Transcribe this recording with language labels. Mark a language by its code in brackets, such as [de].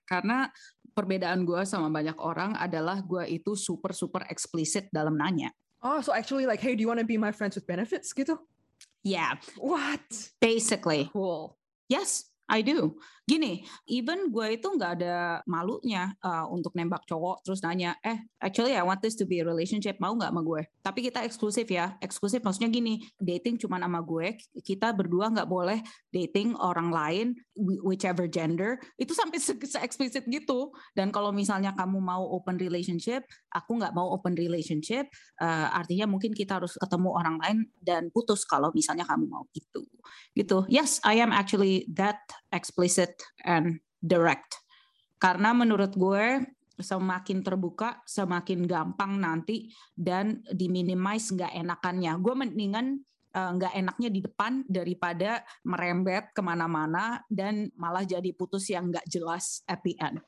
[id] Karena perbedaan gue sama banyak orang adalah gue itu super explicit dalam nanya. [en] Oh, so actually like, hey, do you want to be my friends with benefits [id] gitu? [en] Yeah. What? Basically. Cool. Yes, I do. [id] Gini, even gue itu gak ada malunya untuk nembak cowok terus nanya, eh, [en] actually I want this to be a relationship, [id] mau gak sama gue? Tapi kita eksklusif ya. Eksklusif maksudnya gini, dating cuma sama gue, kita berdua gak boleh dating orang lain, [en] whichever gender, [id] itu sampai se-explicit gitu. Dan kalau misalnya kamu mau open relationship, aku gak mau open relationship, artinya mungkin kita harus ketemu orang lain dan putus kalau misalnya kamu mau itu. Gitu. [en] Yes, I am actually that explicit and direct. [id] Karena menurut gue semakin terbuka semakin gampang nanti dan diminimize gak enakannya. Gue mendingan gak enaknya di depan daripada merembet kemana-mana dan malah jadi putus yang gak jelas [en] at the end.